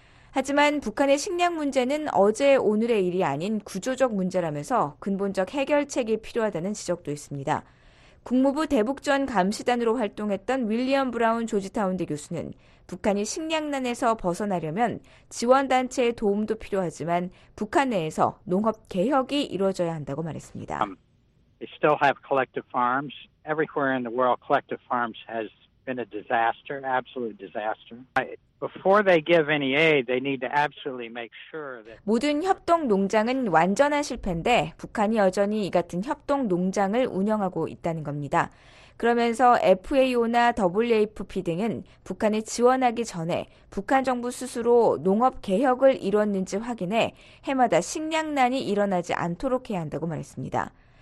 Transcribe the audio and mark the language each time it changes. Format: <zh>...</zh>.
<ko>하지만 북한의 식량 문제는 어제 오늘의 일이 아닌 구조적 문제라면서 근본적 해결책이 필요하다는 지적도 있습니다. 국무부 대북지원감시단으로 활동했던 윌리엄 브라운 조지타운대 교수는 북한이 식량난에서 벗어나려면 지원단체의 도움도 필요하지만 북한 내에서 농업개혁이 이루어져야 한다고 말했습니다.</ko> <en>They still have collective farms. Everywhere in the world, collective farms has been a disaster, absolute disaster. Before they give any aid, they need to absolutely make sure that</en> <ko>모든 협동 농장은 완전한 실패인데 북한이 여전히 이 같은 협동 농장을 운영하고 있다는 겁니다. 그러면서 FAO나 WFP 등은 북한이 지원하기 전에 북한 정부 스스로 농업 개혁을 이뤘는지 확인해 해마다 식량난이 일어나지 않도록 해야 한다고 말했습니다.</ko>